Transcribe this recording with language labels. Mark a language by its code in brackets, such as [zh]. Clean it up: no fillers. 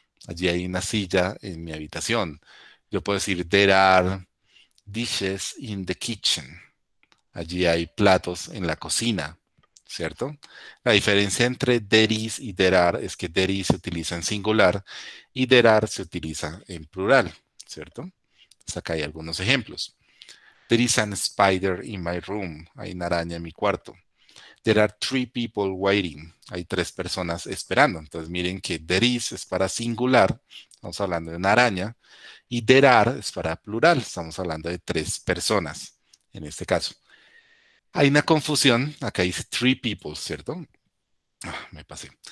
[es] Allí hay una silla en mi habitación. Yo puedo decir, [en] there are dishes in the kitchen. [es] Allí hay platos en la cocina, ¿cierto? La diferencia entre [en] there is [es] y [en] there are [es] es que there is se utiliza en singular y there are se utiliza en plural, ¿cierto? Entonces acá hay algunos ejemplos. [en] There is an spider in my room. [es] Hay una araña en mi cuarto. [en] There are three people waiting. [es] Hay tres personas esperando. Entonces miren que [en] there is [es] es para singular. Estamos hablando de una araña. Y [en] there are [es] es para plural. Estamos hablando de tres personas en este caso. Hay una confusión, acá dice [en] three people, [es] ¿cierto? Oh, me pasé.